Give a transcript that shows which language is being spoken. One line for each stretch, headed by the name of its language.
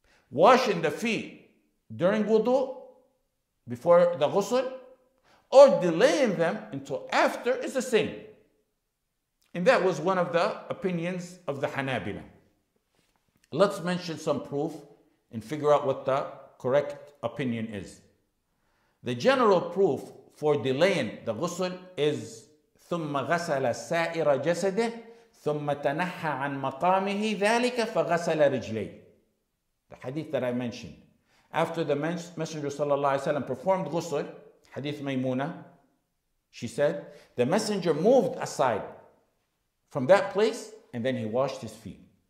English: Washing the feet during wudu, before the ghusl, or delaying them until after is the same. And that was one of the opinions of the Hanabila. Let's mention some proof and figure out what the correct opinion is. The general proof for delaying the ghusl is
Arabic: ثُمَّ غَسَلَ سَائِرَ جَسَدِهِ ثُمَّ تَنَحَّى عَنْ مَقَامِهِ ذَلِكَ فَغَسَلَ رِجْلَيْهِ.
English: The hadith that I mentioned. After the Messenger sallallahu alaihi wasallam performed ghusl, Hadith Maymuna, she said, the Messenger moved aside from that place and then he washed his feet.